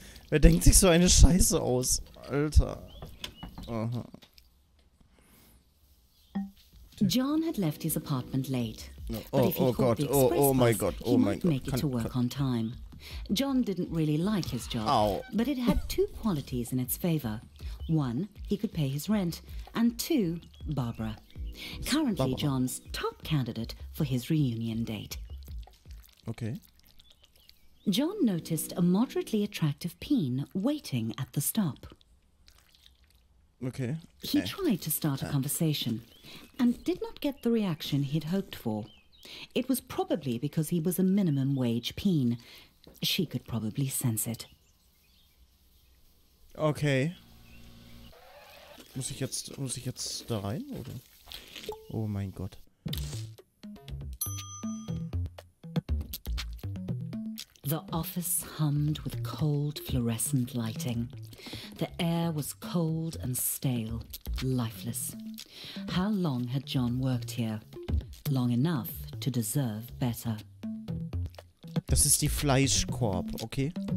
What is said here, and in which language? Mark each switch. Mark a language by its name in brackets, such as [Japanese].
[German] Wer denkt sich so eine Scheiße aus? Alter. Aha. [English] John had left his apartment late. [German] Oh Gott, oh mein Gott, oh mein Gott. [English] He might make it to work on time. John didn't really like his job, but it had two qualities in its favor. One, he could pay his rent, and two, Barbara. Currently John's top candidate for his reunion date. Okay. John noticed a moderately attractive peen waiting at the stop. Okay. He tried to start a conversation and did not get the reaction he'd hoped for. It was probably because he was a minimum wage peen. She could probably sense it. Okay. [German] Muss ich jetzt da rein, oder? Oh mein Gott. [English] The office hummed with cold fluorescent lighting. The air was cold and stale, lifeless. How long had John worked here? Long enough to deserve better. [German] Das ist die Fleischkorb, okay?